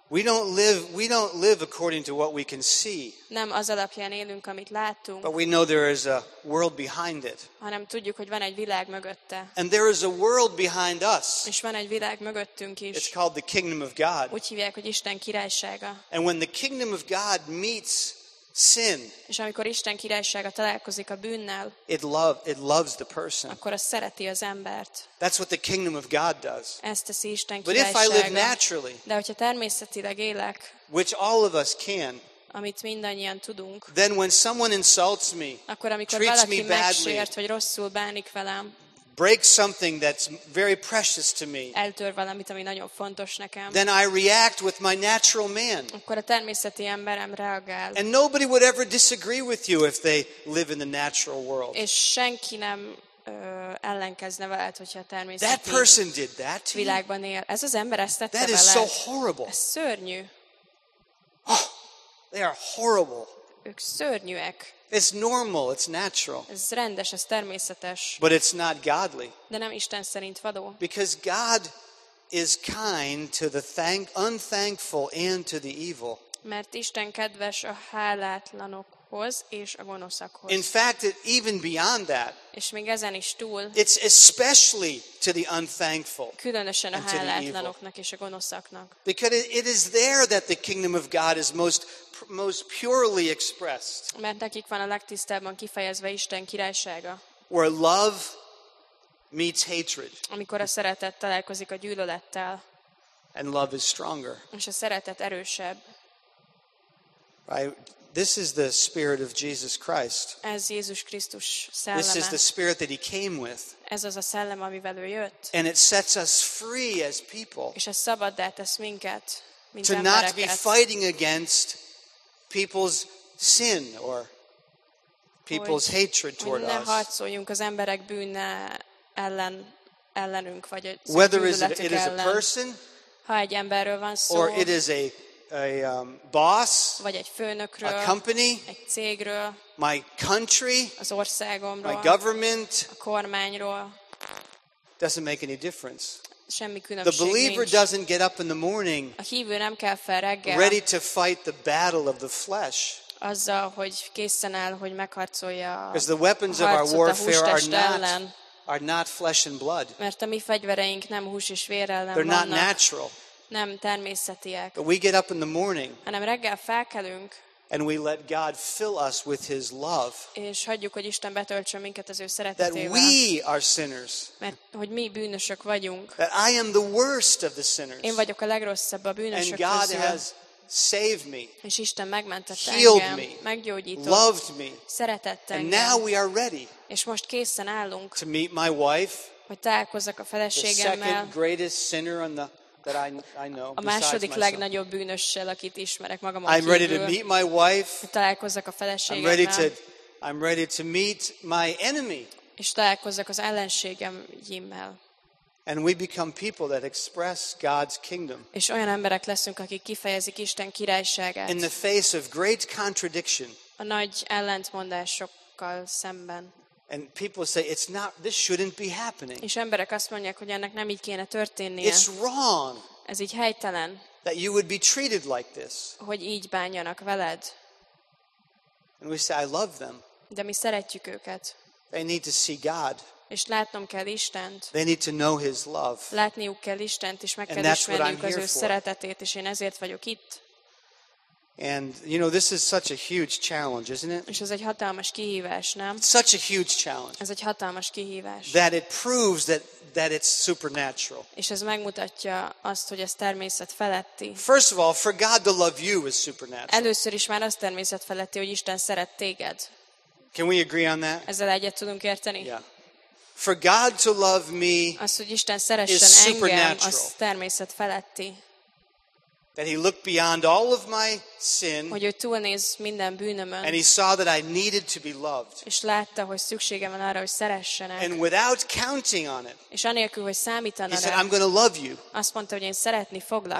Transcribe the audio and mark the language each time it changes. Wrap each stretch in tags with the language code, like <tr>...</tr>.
<en>We don't live according to what we can see.</en> <hu>Nem az alapján élünk, amit látunk.</hu> <en>But we know there is a world behind it.</en> <hu>Hanem tudjuk, hogy van egy világ mögötte.</hu> <en>And there is a world behind us.</en> <hu>És van egy világ mögöttünk is.</hu> <en>It's called the kingdom of God.</en> <hu>Úgy hívják, hogy Isten királysága.</hu> <en>And when the kingdom of God meets sin.</en> <hu>És amikor Isten királysága találkozik a bűnnel.</hu> <en>It loves the person.</en> <hu>Akkor az szereti az embert.</hu> <en>That's what the kingdom of God does.</en> <hu>Ezt teszi Isten királysága.</hu> <en>But if I live naturally.</en> <hu>De hogyha természetileg élek.</hu> <en>Which all of us can.</en> <hu>Amit mindannyian tudunk.</hu> <en>Then when someone insults me.</en> <hu>Akkor amikor valaki megsért, vagy rosszul bánik velem.</hu> <en>Break something that's very precious to me.</en> <hu>Eltör valamit, ami nagyon fontos nekem.</hu> <en>Then I react with my natural man.</en> <hu>Akkor a természeti emberem reagál.</hu> <en>And nobody would ever disagree with you if they live in the natural world.</en> <hu>És senki nem ellenkezne veled, hogyha a természeti</hu> <en>that person did that to</en> <hu>világban</hu> <en>you.</en> <hu>Él. Ez az ember ezt tette</hu> <en>that</en> <hu>veled.</hu> <en>Is so horrible.</en> <hu>Ez szörnyű.</hu> <en>Oh, they are horrible.</en> <hu>Ők szörnyűek.</hu> <en>It's normal, it's natural.</en> <hu>Ez rendes, ez természetes.</hu> <en>But it's not godly.</en> <hu>De nem Isten szerint való.</hu> <en>Because God is kind to the unthankful and to the evil.</en> <hu>Mert Isten kedves a hálátlanokhoz és a gonoszakhoz.</hu> <en>In fact, even beyond that.</en> <hu>És még ezen is túl.</hu> <en>It's especially to the unthankful.</en> <hu>Különösen a hálátlanoknak és a gonoszaknak.</hu> <en>Because it is there that the kingdom of God is most purely expressed.</en> <hu>Mert nekik van a legtisztábban kifejezve Isten királysága.</hu> <en>Where love meets hatred.</en> <hu>Amikor a szeretet találkozik a gyűlölettel.</hu> <en>And love is stronger.</en> <hu>És a szeretet erősebb.</hu> <en>Right? This is the spirit of Jesus Christ.</en> <hu>Ez Jézus Krisztus szelleme.</hu> <en>This is the spirit that he came with.</en> <hu>Ez az a szellem, amivel ő jött.</hu> <en>And it sets us free as people.</en> <hu>És ez szabaddá tesz minket, mint embereket.</hu> <en>To not be fighting against people's sin or people's hatred toward us.</en> <hu>Ne harcoljunk az emberek bűne ellenünk vagy az</hu> <en>whether it is a person</en> <hu>ha egy emberről van szó,</hu> <en>or it is a boss</en> <hu>vagy egy főnökről,</hu> <en>a company</en> <hu>egy cégről,</hu> <en>my country</en> <hu>az országomról,</hu> <en>my government</en> <hu>a kormányról.</hu> <en>Doesn't make any difference.</en> <hu>Semmi különbség</hu> <en>the believer</en> <hu>nincs.</hu> <en>Doesn't get up in the morning</en> <hu>a hívő nem kell fel reggel,</hu> <en>ready to fight the battle of the flesh.</en> <hu>Azzal, hogy készen áll, hogy megharcolja a harcot a húst test ellen.</hu> <en>Are not flesh and blood.</en> <hu>Mert a mi fegyvereink nem hús és vér ellen</hu> <en>They're</en> <hu>vannak.</hu> <en>Not natural.</en> <hu>Nem természetiek.</hu> <en>But we get up in the morning,</en> <hu>hanem reggel felkelünk.</hu> <en>And we let God fill us with his love.</en> <hu>És hagyjuk, hogy Isten betöltsön minket az ő szeretetével.</hu> <en>That we are sinners.</en> <hu>Mert hogy mi bűnösök vagyunk.</hu> <en>That I am the worst of the sinners.</en> <hu>Én vagyok a legrosszabb a bűnösök közül.</hu> <en>And God has saved me.</en> <hu>És Isten megmentette</hu> <en>healed</en> <hu>engem.</hu> <en>Me,</en> <hu>meggyógyított.</hu> <en>Loved me.</en> <hu>Szeretett engem.</hu> <en>And now we are ready.</en> <hu>És most készen állunk.</hu> <en>To meet my wife.</en> <hu>Hogy találkozzak a feleségemmel.</hu> <en>The second greatest sinner on the that I know.</en> <hu>A második legnagyobb bűnössel, akit ismerek magamon kívül.</hu> <en>I'm ready to meet my wife.</en> <hu>Találkozzak a feleségemmel.</hu> <en>I'm ready to meet my enemy.</en> <hu>És találkozzak az ellenségemmel.</hu> <en>And we become people that express God's kingdom.</en> <hu>És olyan emberek leszünk, akik kifejezik Isten királyságát.</hu> <en>In the face of great contradiction.</en> <hu>A nagy ellentmondásokkal szemben.</hu> <en>And people say it's not this shouldn't be happening.</en> <hu>És emberek azt mondják, hogy ennek nem így kéne történnie.</hu> <en>It's wrong.</en> <hu>Ez így helytelen.</hu> <en>That you would be treated like this.</en> <hu>Hogy így bánjanak veled.</hu> <en>And we say I love them.</en> <hu>De mi szeretjük őket.</hu> <en>They need to see God.</en> <hu>És látnom kell Istent.</hu> <en>They need to know his love.</en> <hu>Látniuk kell Istent, és meg kell ismerniük az ő szeretetét, és én ezért vagyok itt.</hu> <en>And you know this is such a huge challenge, isn't it?</en> <hu>És ez egy hatalmas kihívás, nem?</hu> <en>Such a huge challenge.</en> <hu>Ez egy hatalmas kihívás.</hu> <en>That it proves that it's supernatural.</en> <hu>És ez megmutatja azt, hogy ez természet feletti.</hu> <en>First of all, for God to love you is supernatural.</en> <hu>Először is már az természet feletti, hogy Isten szeret téged.</hu> <en>Can we agree on that?</en> <hu>Ezzel egyet tudunk érteni?</hu> <en>Yeah. For God to love me</en> <hu>az, hogy Isten szeressen engem, az természet feletti.</hu> <en>That he looked beyond all of my sin.</en> <hu>Hogy ő túlnéz minden bűnömön.</hu> <en>And he saw that I needed to be loved.</en> <hu>És látta, hogy szükségem van arra, hogy szeressenek.</hu> <en>And without counting on it.</en> <hu>És anélkül, hogy számítana rá.</hu> <en>He said, I'm going to love you.</en> <hu>Azt mondta, hogy én szeretni foglak.</hu>